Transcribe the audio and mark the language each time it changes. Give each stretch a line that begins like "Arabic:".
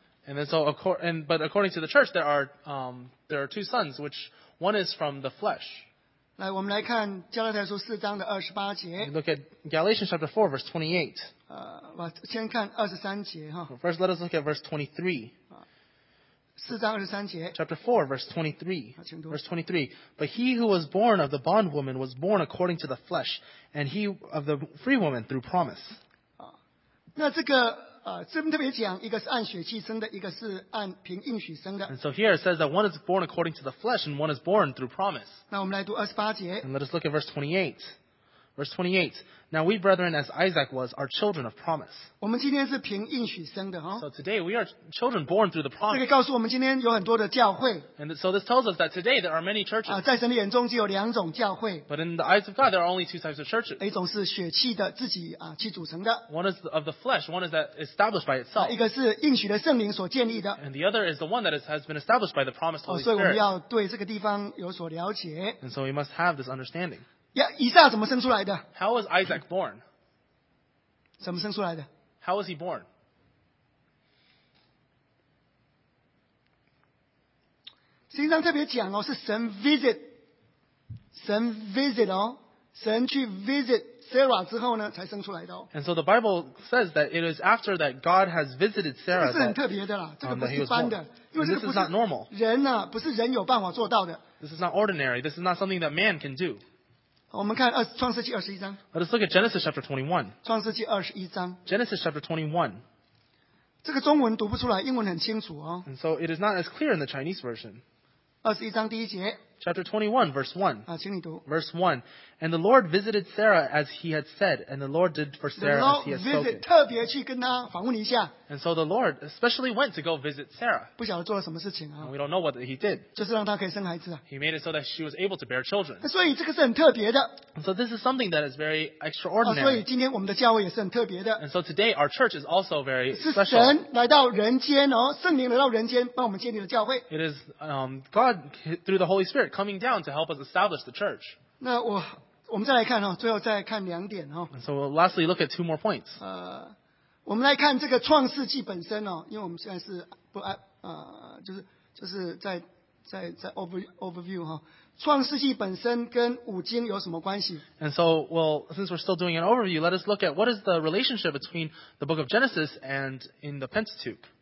English: And then so according to the church, there are two sons, which one is from the flesh.
Chinese: 来，我们来看加拉太书4章的28节。
English: Look at Galatians chapter 4 verse 28.
Chinese: 先看23节哈。
English: First, let us look at verse 23.
Chinese: 4章23节,
English: Chapter 4, verse 23. Verse 23. But he who was born of the bondwoman was born according to the flesh, and he of the free woman through promise.
Chinese: 那这个这边特别讲，一个是按血气生的，一个是按凭应许生的。
English: And so here it says that one is born according to the flesh, and one is born through promise.
Chinese: 那我们来读28节。
English: And let us look at verse 28. Verse 28. Now we brethren, as Isaac was, are children of promise.
Chinese: 我们今天是凭应许生的。
English: So today we are children born through the promise.
Chinese: 这个告诉我们今天有很多的教会。
English: And so this tells us that today there are many churches.
Chinese: 在神的眼中只有两种教会。
English: But in the eyes of God, there are only two types of churches.
Chinese: 一种是血气的自己去组成的。
English: One is of the flesh, one is that established by itself.
Chinese: 一个是应许的圣灵所建立的。
English: And the other is the one that has been established by the promised Holy Spirit.
Chinese: 所以我们要对这个地方有所了解。
English: And so we must have this understanding.
Chinese: 以撒怎么生出来的?
English: How was Isaac born?
Chinese: 怎么生出来的?
English: How was he born?
Chinese: 圣经上特别讲哦，是神去
English: visit Sarah
Chinese: 之后呢，才生出来的哦。
English: And so the Bible says that it is after that God has visited Sarah.
Chinese: 这个是很特别的啦，这个不是一般的，因为这个不是人呐，不是人有办法做到的。
English: This is not ordinary. This is not something that man can do.
Chinese: 我们看创世纪21章。
English: Let us look at Genesis chapter 21.
Chinese: 创世纪21章。
English: Genesis chapter 21.
Chinese: 这个中文读不出来，英文很清楚哦。
English: And so it is not as clear in the Chinese version.
Chinese: 21章第一节。
English: Chapter 21, verse 1.
Chinese: 啊，请你读。
English: Verse 1. And the Lord visited Sarah as he had said, and the Lord did for Sarah as he had spoken. The Lord visited,
Chinese: 特别去跟他访问一下。
English: And so the Lord especially went to go visit Sarah.
Chinese: 不晓得做了什么事情啊。
English: And we don't know what he did.
Chinese: 就是让他可以生孩子啊。
English: He made it so that she was able to bear children.
Chinese: 所以这个是很特别的。
English: And so this is something that is very extraordinary.
Chinese: 所以今天我们的教会也是很特别的。
English: And so today our church is also very special.
Chinese: 是神来到人间哦，圣灵来到人间帮我们建立了教会。
English: It is God through the Holy Spirit coming down to help us establish the church.
Chinese: 那我们再来看哦，最后再看两点哦。
English: So lastly, look at two more points.
Chinese: 我们来看这个创世纪本身哦，因为我们现在是不爱就是在 overview 哈、哦。创世纪本身跟五经有什么关系
English: ？And so, well, since we're still doing an overview, let us look at what is the relationship between the book of Genesis and in the Pentateuch.